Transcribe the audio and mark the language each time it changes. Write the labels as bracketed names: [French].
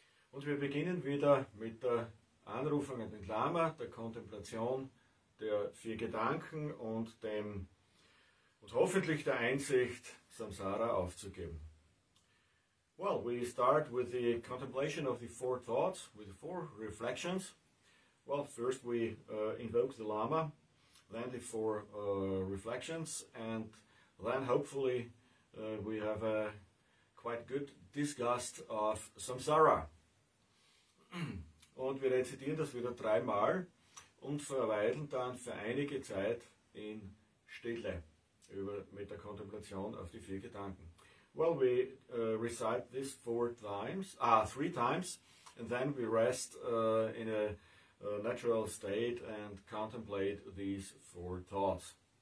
[German] Und wir beginnen wieder mit der Anrufung an den Lama, der Kontemplation der vier Gedanken und dem und hoffentlich der Einsicht, Samsara aufzugeben. [English] Well, we start with the contemplation of the four thoughts, with the four reflections. Well, first we invoke the Lama, then the four reflections, and then hopefully we have a quite good disgust of Samsara. [German] Und wir rezitieren das wieder dreimal und verweilen dann für einige Zeit in Stille über, mit der Kontemplation auf die vier Gedanken. [English] Well, we recite this three times, and then we rest in a natural state and contemplate these four thoughts.